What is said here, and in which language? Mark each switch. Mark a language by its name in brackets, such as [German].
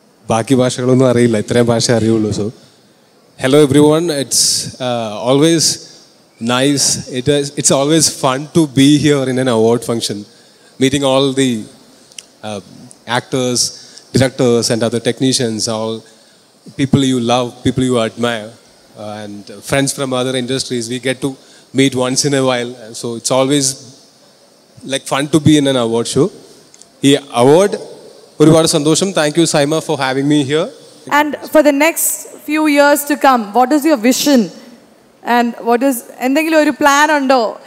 [Malayalam] ബാക്കി ഭാഷകളൊന്നും അറിയില്ല, ഇത്രയും ഭാഷ അറിയുള്ളൂ. [English] So hello everyone, it's always nice, it's always fun to be here in an award function, meeting all the actors, directors and other technicians, all people you love, people you admire and friends from other industries. We get to meet once in a while. So it's always like fun to be in an award show. [Malayalam] ഈ award ഒരുപാട് സന്തോഷം. [English] Thank you SIIMA for having me here. And for the next few years to come, what is your vision and what is, [Malayalam] എന്തെങ്കിലും ഒരു plan ഉണ്ടോ?